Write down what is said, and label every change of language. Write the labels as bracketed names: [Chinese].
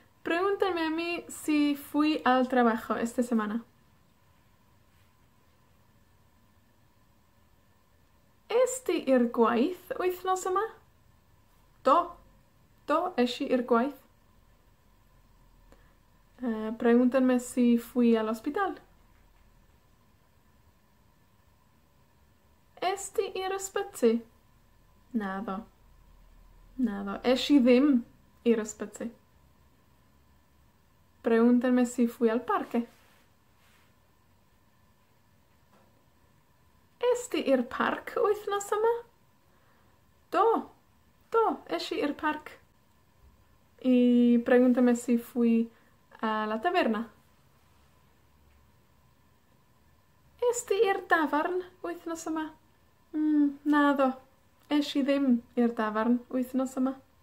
[Spanish] Pregúntame a mi si fui al trabajo esta semana. [Welsh] Est ti i'r gwaith wythnos yma? Do. Do, es i i'r gwaith. [Spanish] Pregúntame si fui al hospital. [Welsh] Es ti i'r ysbyty? Naddo. Naddo. Es i ddim i'r ysbyty. [Spanish] Pregúntame si fui al parque. [Welsh] Es ti i'r parc wythnos yma? Do. Do, es i i'r parc. [Spanish] Y pregúntame si fui a la taberna. [Welsh] Es ti i'r dafarn wythnos yma? Naddo. Es i ddim i'r dafarn wythnos yma.